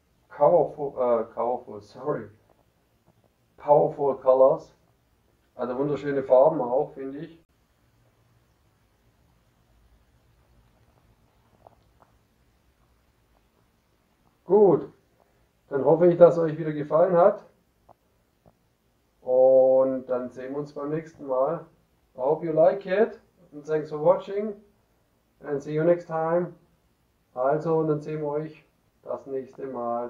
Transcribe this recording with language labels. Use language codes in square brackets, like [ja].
[en] Powerful, sorry. Powerful Colors, [de] also wunderschöne Farben auch, finde ich. Gut, dann hoffe ich, dass es euch wieder gefallen hat. Und dann sehen wir uns beim nächsten Mal. [en] I hope you like it and thanks for watching and see you next time. [de] Also, und dann sehen wir euch das nächste Mal.